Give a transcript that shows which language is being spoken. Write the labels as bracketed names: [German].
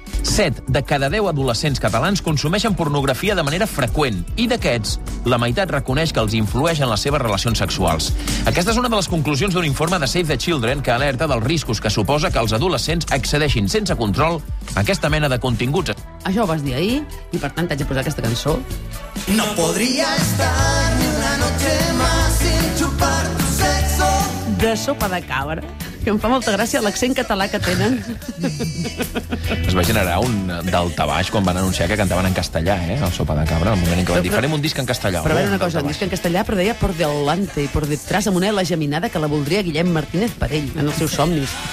[Catalan] 7 de cada 10 adolescents catalans consumeixen pornografia de manera freqüent i d'aquests, la meitat reconeix que els influeix en les seves relacions sexuals. Aquesta és una de les conclusions d'un informe de Save the Children que alerta dels riscos que suposa que els adolescents accedeixin sense control a aquesta mena de continguts. Això ho vas dir ahir i, per tant, t'haig de posar aquesta cançó. [Spanish] No podría estar ni una noche más sin chupar tu sexo. [Catalan] De Sopa de Cabra. Que em fa molta gràcia l'accent català que tenen. Es va generar un daltabaix quan van anunciar que cantaven en castellà, el Sopa de Cabra, al moment en què van dir, farem un disc en castellà. Però veure una cosa, un disc en castellà, però deia [Spanish] por delante, por detrás, [Catalan] amb una ela geminada que la voldria Guillem Martínez per ell, en els seus somnis.